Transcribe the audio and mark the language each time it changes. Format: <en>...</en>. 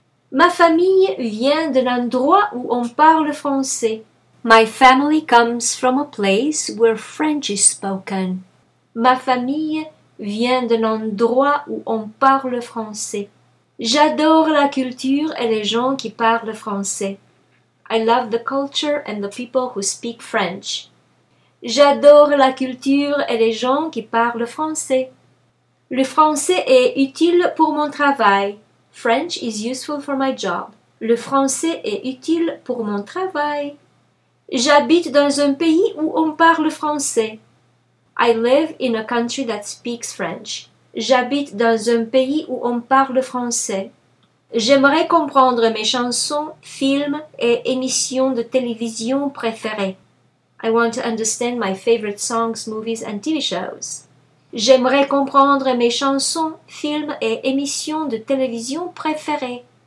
<fr>Ma famille vient d'un endroit où on parle français.</fr> <en>My family comes from a place where French is spoken.</en> <fr>Ma famille vient d'un endroit où on parle français. J'adore la culture et les gens qui parlent français.</fr> <en>I love the culture and the people who speak French.</en> <fr>J'adore la culture et les gens qui parlent français. Le français est utile pour mon travail.</fr> <en>French is useful for my job.</en> <fr>Le français est utile pour mon travail. J'habite dans un pays où on parle français.</fr> <en>I live in a country that speaks French.</en> <fr>J'habite dans un pays où on parle français. J'aimerais comprendre mes chansons, films et émissions de télévision préférées.</fr> <en>I want to understand my favorite songs, movies and TV shows.</en> <fr>J'aimerais comprendre mes chansons, films et émissions de télévision préférées.</fr>